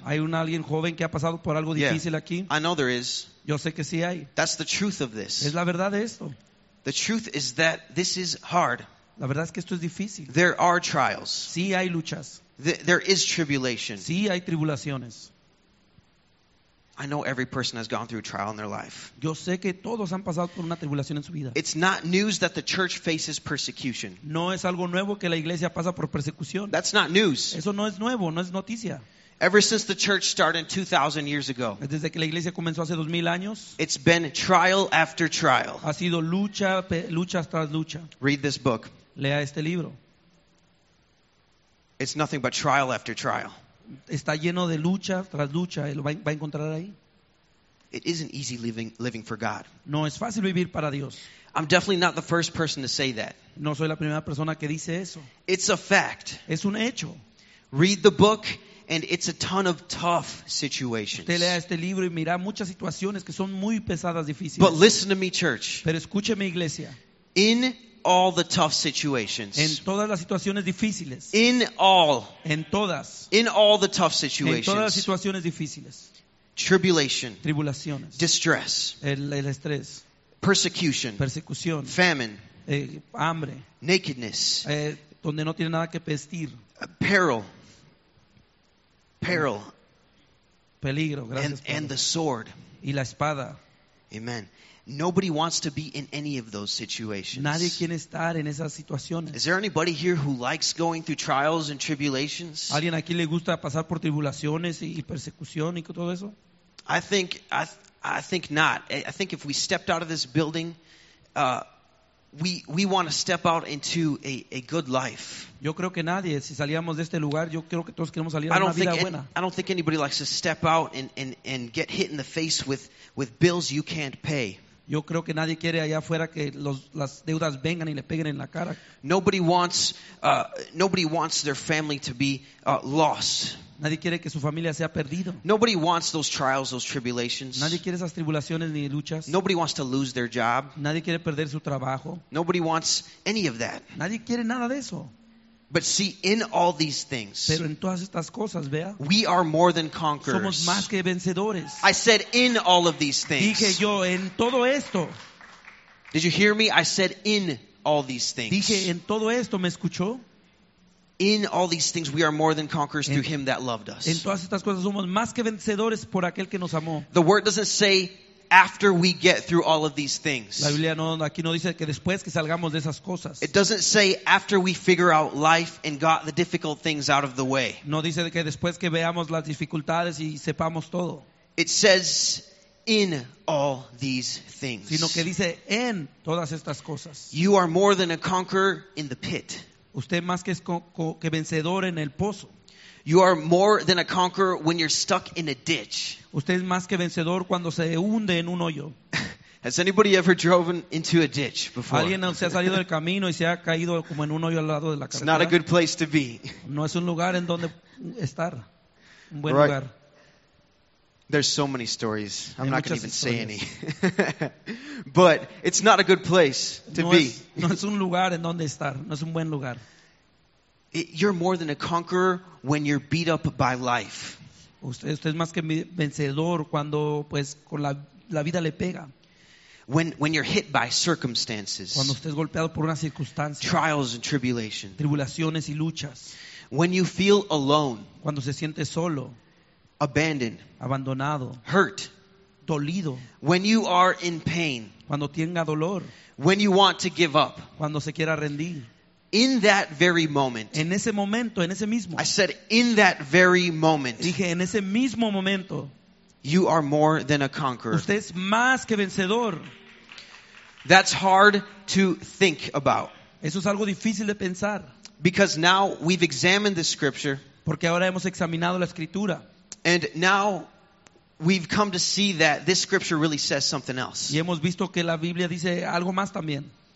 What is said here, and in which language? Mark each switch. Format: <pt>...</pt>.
<es>¿Hay alguien joven que ha pasado por algo difícil aquí?</es> <en>I know there is.</en> <es>Yo sé que sí hay.</es> <en>That's the truth of this.</en> <es>Es la verdad de esto.</es> <en>The truth is that this is hard.</en> <es>La verdad es que esto es difícil.</es> <en>There are trials.</en> <es>Sí hay luchas.</es> <en>There is tribulation.</en> <es>Sí hay tribulaciones.</es> <en>I know every person has gone through a trial in their life.</en> <es>Yo sé que todos han pasado por una tribulación en su vida.</es> <en>It's not news that the church faces persecution.</en> <es>No es algo nuevo que la iglesia pasa por persecución.</es> <en>That's not news.</en> <es>Eso no es nuevo, no es noticia.</es> <en>Ever since the church started 2,000 years ago,</en> <es>desde que la iglesia comenzó hace 2,000 años,</es> <en>it's been trial after trial.</en> <es>Ha sido lucha, lucha tras lucha.</es> <en>Read this book.</en> <es>Lea este libro.</es> <en>It's nothing but trial after trial.</en> <es>Está lleno de lucha tras lucha. Lo va a encontrar ahí.</es> <en>It isn't easy living for God.</en> <es>No es fácil vivir para Dios.</es> <en>I'm definitely not the first person to say that.</en> <es>No soy la primera persona que dice eso.</es> <en>It's a fact.</en> <es>Es un hecho.</es> <en>Read the book, and it's a ton of tough situations.</en> <es>Usted lea este libro y mira muchas situaciones que son muy pesadas, difíciles.</es> <en>But listen to me, church.</en> <es>Pero escúcheme, iglesia.</es> <en>In all the tough situations.</en> <es>En todas las situaciones difíciles.</es> <en>In all.</en> <es>En todas.</es> <en>In all the tough situations.</en> <es>En todas las situaciones difíciles.</es> <en>Tribulation.</en> <es>Tribulaciones.</es> <en>Distress.</en> <es>El estrés.</es> <en>Persecution.</en> <es>Persecución.</es> <en>Famine.</en> <es>Hambre.</es> <en>Nakedness.</en> <es>Donde no tiene nada que vestir.</es> <en>Peril. Peril.</en> <es>Peligro. Gracias.</es> <en>And the sword.</en> <es>Y la espada.</es> <en>Amen. Nobody wants to be in any of those situations.</en> <es>Nadie quiere estar en esas situaciones.</es> <en>Is there anybody here who likes going through trials and tribulations?</en> <es>¿Alguien aquí le gusta pasar por tribulaciones y persecución y todo eso?</es> <en>I think not. I think if we stepped out of this building, we want to step out into a good life.</en> <es>Yo creo que nadie, si salíamos de este lugar, yo creo que todos queremos salir a una vida buena.</es> <en>I don't think anybody likes to step out and get hit in the face with bills you can't pay.</en> <es>Yo creo que nadie quiere allá afuera que las deudas vengan y le peguen en la cara.</es> <en>Nobody wants their family to be lost.</en> <es>Nadie quiere que su familia sea perdido.</es> <en>Nobody wants those trials, those tribulations.</en> <es>Nadie quiere esas tribulaciones ni luchas.</es> <en>Nobody wants to lose their job.</en> <es>Nadie quiere perder su trabajo.</es> <en>Nobody wants any of that.</en> <es>Nadie quiere nada de eso.</es> <en>But see, in all these things,</en> <es>pero en todas estas cosas, vea,</es> <en>we are more than conquerors.</en> <es>Somos más que vencedores.</es> <en>I said, in all of these things.</en> <es>Dije yo, en todo esto.</es> <en>Did you hear me? I said, in all these things.</en> <es>Dije, en todo esto, ¿me escuchó?</es> <en>In all these things, we are more than conquerors through him that loved us.</en> <es>En todas estas cosas, somos más que vencedores por aquel que nos amó.</es> <en>The word doesn't say after we get through all of these things.</en> <es>La Biblia no, aquí no dice que después que salgamos de esas cosas.</es> <en>It doesn't say after we figure out life and got the difficult things out of the way.</en> <es>No dice que después que veamos las dificultades y sepamos todo.</es> <en>It says in all these things.</en> <es>Sino que dice en todas estas cosas.</es> <en>You are more than a conqueror in the pit.</en> <es>Usted más que es que vencedor en el pozo.</es> <en>You are more than a conqueror when you're stuck in a ditch.</en> <es>Usted es más que vencedor cuando se hunde en un hoyo.</es> <en>Has anybody ever driven into a ditch before?</en> <es>¿Alguien se ha salido del camino y se ha caído como en un hoyo al lado de la carretera?</es> <en>It's not a good place to be.</en> <es>No es un lugar en donde estar. Un buen</es> <en>right.</en> <es>lugar.</es> <en>There's so many stories. I'm not going to even say any. But it's not a good place to be.</en> <es>No es un lugar en donde estar. No es un buen lugar.</es> <en>You're more than a conqueror when you're beat up by life.</en> <es>Usted es más que vencedor cuando pues con la vida le pega.</es> <en>When you're hit by circumstances.</en> <es>Cuando usted es golpeado por una circunstancia.</es> <en>Trials and tribulations.</en> <es>Tribulaciones y luchas.</es> <en>When you feel alone.</en> <es>Cuando se siente solo.</es> <en>Abandoned.</en> <es>Abandonado.</es> <en>Hurt.</en> <es>Dolido.</es> <en>When you are in pain.</en> <es>Cuando tenga dolor.</es> <en>When you want to give up.</en> <es>Cuando se quiera rendir.</es> <en>In that very moment.</en> <es>En ese momento, en ese mismo.</es> <en>I said, in that very moment.</en> <es>Dije, en ese mismo momento.</es> <en>You are more than a conqueror.</en> <es>Usted es más que vencedor.</es> <en>That's hard to think about.</en> <es>Eso es algo difícil de pensar.</es> <en>Because now we've examined the scripture.</en> <es>Porque ahora hemos examinado la escritura.</es> <en>And now we've come to see that this scripture really says something else.</en> <es>Y hemos visto que la Biblia dice algo más también.</es>